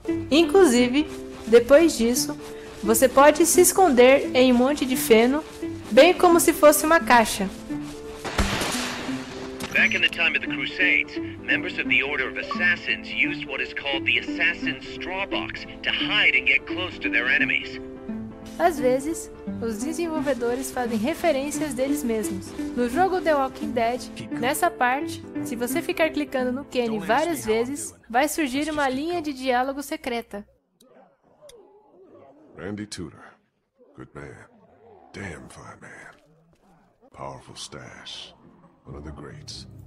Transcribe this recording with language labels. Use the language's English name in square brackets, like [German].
[Portuguese] Inclusive, depois disso, você pode se esconder em um monte de feno, bem como se fosse uma caixa. [English] Back in the time of the Crusades, members of the Order of Assassins used what is called the Assassin's Straw Box to hide and get close to their enemies. [Portuguese] Às vezes, os desenvolvedores fazem referências deles mesmos. No jogo The Walking Dead, nessa parte, se você ficar clicando no Kenny várias vezes, vai surgir uma linha de diálogo secreta. [English] Randy Tudor, good man, damn fine man, powerful stash, one of the greats.